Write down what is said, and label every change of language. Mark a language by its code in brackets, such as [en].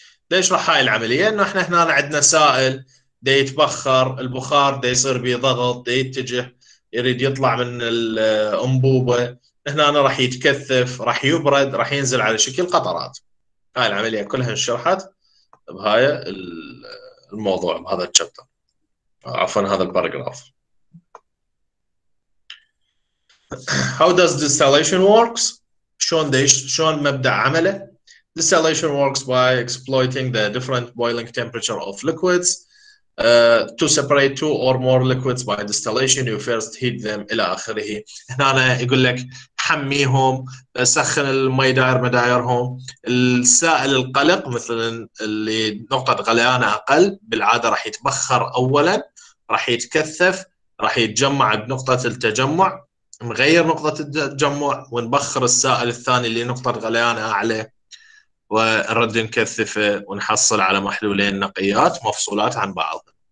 [ar] ليش راح هاي العملية؟ إنه إحنا هنا عندنا سائل دي يتبخر، البخار دي يصير بيضغط، دي يتجه يريد يطلع من الأنبوبة، هنا أنا راح يتكثف، راح يبرد، راح ينزل على شكل قطرات. هاي العملية كلها انشرحت بهاي الموضوع بهذا الشابتر، عفواً هذا الباراجراف. [en] How does distillation works؟ شلون مبدأ عمله؟ Distillation works by exploiting the different boiling temperature of liquids to separate two or more liquids by distillation. You first heat them إلى آخره. [ar] هنا أنا يقول لك حميهم، سخن المي داير مدايرهم. السائل القلق مثلا اللي نقطة غليانه أقل بالعادة راح يتبخر أولا، راح يتكثف، راح يتجمع بنقطة التجمع، نغير نقطة التجمع ونبخر السائل الثاني اللي نقطة غليانه أعلى، ونرد نكثفه ونحصل على محلولين نقيات مفصولات عن بعض.